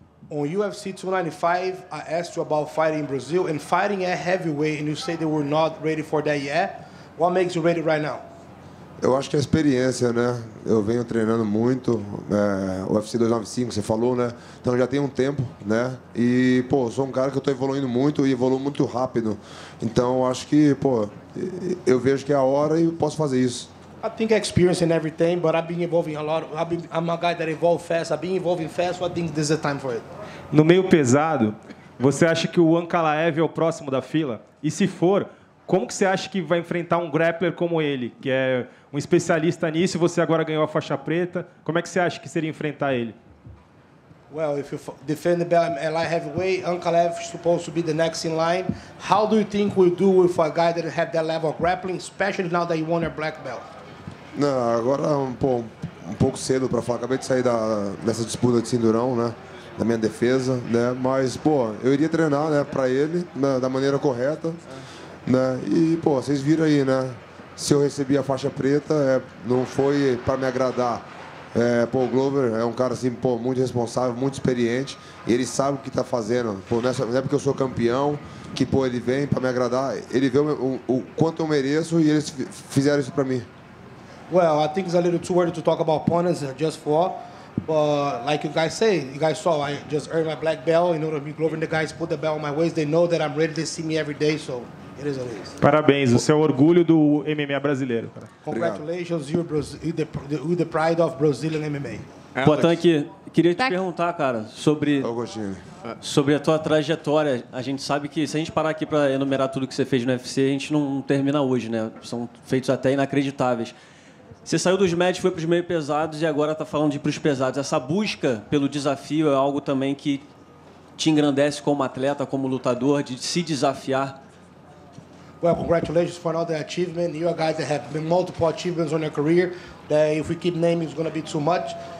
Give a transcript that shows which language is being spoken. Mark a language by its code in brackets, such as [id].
[en] On UFC 295, I asked you about fighting in Brazil and fighting at heavyweight, and you said they were not ready for that yet. What makes you ready right now? [pt] Eu acho que é a experiência, né? Eu venho treinando muito, UFC 295, você falou, né? Então já tem um tempo, né? E, pô, sou um cara que eu tô evoluindo muito e evoluo muito rápido. Então acho que, pô, eu vejo que é a hora e posso fazer isso. [en] I think experience and everything, but I've been evolving a lot. I'm a guy that evolves fast. I've been evolving fast, so I think this is the time for it. [pt] No meio pesado, você acha que o Juan Kalaev é o próximo da fila? E se for, como que você acha que vai enfrentar um grappler como ele, que é um especialista nisso, você agora ganhou a faixa preta? Como é que você acha que seria enfrentar ele? [en] Well, if you defend the belt at light heavyweight, Juan Kalaev is supposed to be the next in line. How do you think we do with a guy that had that level of grappling, especially now that he won a black belt? [pt] Não, agora um pouco cedo para falar. Acabei de sair dessa disputa de cinturão, né? Da minha defesa, né? Mas, pô, eu iria treinar, né, para ele, né, da maneira correta, né? E, pô, vocês viram aí, né? Se eu recebi a faixa preta, não foi para me agradar. Pô, o Glover é um cara assim, pô, muito responsável, muito experiente, e ele sabe o que está fazendo. Pô, não é porque eu sou campeão que, pô, ele vem para me agradar. Ele vê o quanto eu mereço e eles fizeram isso para mim. [en] Well, I think it's a little too early to talk about opponents just for. But like you guys say, you guys saw, I just earned my black belt. You know, Glover and the guys put the belt on my waist. They know that I'm ready. They see me every day. So, [pt] Parabéns, você é o orgulho do MMA brasileiro. [en] Congratulations, you're the pride of Brazilian MMA. [pt] Poitin, queria te perguntar, cara, sobre a tua trajetória. A gente sabe que, se a gente parar aqui para enumerar tudo que você fez no UFC, a gente não termina hoje, né? São feitos até inacreditáveis. Você saiu dos médios, foi para os meio pesados e agora está falando de ir para os pesados. Essa busca pelo desafio é algo também que te engrandece como atleta, como lutador, de se desafiar. [en] Well, congratulations for another achievement. You are guys that have been multiple achievements on your career. If we keep naming, it's going to be too much.